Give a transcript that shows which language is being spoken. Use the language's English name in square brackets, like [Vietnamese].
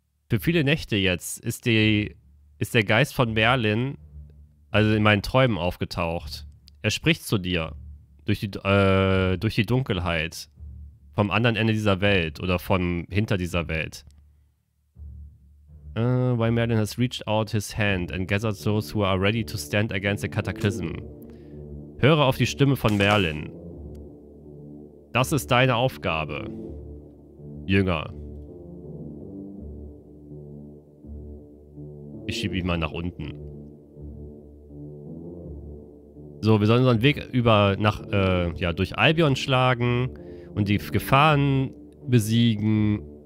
[German] Für viele Nächte jetzt ist der Geist von Merlin, also in meinen Träumen, aufgetaucht. Er spricht zu dir durch die Dunkelheit vom anderen Ende dieser Welt oder von hinter dieser Welt. [English] Why Merlin has reached out his hand and gathered those who are ready to stand against the cataclysm. [German] Höre auf die Stimme von Merlin. Das ist deine Aufgabe, Jünger. Ich schiebe ihn mal nach unten. So, wir sollen unseren Weg durch Albion schlagen und die Gefahren besiegen.